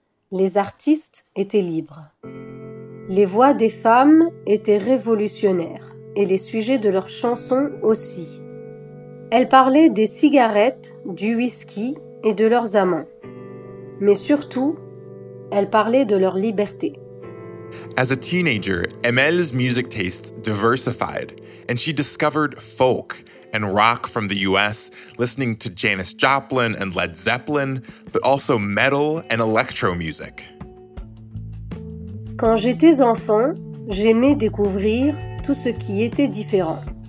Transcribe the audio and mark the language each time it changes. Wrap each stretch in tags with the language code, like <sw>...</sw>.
<fr>Les artistes étaient libres. Les voix des femmes étaient révolutionnaires et les sujets de leurs chansons aussi. Elles parlaient des cigarettes, du whisky et de leurs amants. Mais surtout, elles parlaient de leur liberté.</fr> <en>As a teenager, Emel's music tastes diversified and she discovered folk and rock from the US, listening to Janis Joplin and Led Zeppelin, but also metal and electro music.</en> <fr>Quand j'étais enfant, j'aimais découvrir tout ce qui était différent.</fr>